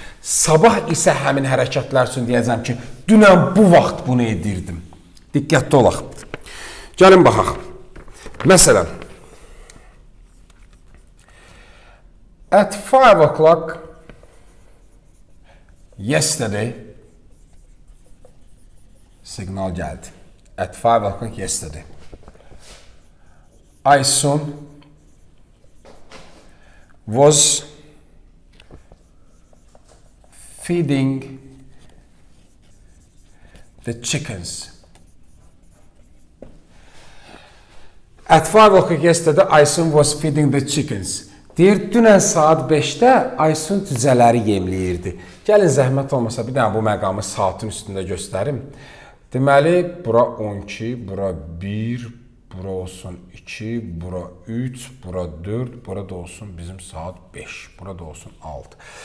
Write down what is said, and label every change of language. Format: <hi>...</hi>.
<az>Sabah isə həmin hərəkətlər üçün deyəcəm ki, dünən bu vaxt bunu edirdim. Diqqətli olaq. Gəlin, baxaq. Məsələn,</az> <en>at 5 o'clock yesterday,</en> <az>signal gəldi.</az> <en>At 5 o'clock yesterday, I soon was feeding the chickens. At 5 o'clock yesterday, Aysun was feeding the chickens.</en> <az>Deyir, dünən saat 5-də Aysun cücələri yemləyirdi. Gəlin, zəhmət olmasa, bir dənə bu məqamı saatin üstündə göstərim. Deməli, bura 12, bura 1, bura olsun 2, bura 3, bura 4, bura da olsun bizim saat 5, bura da olsun 6.</az>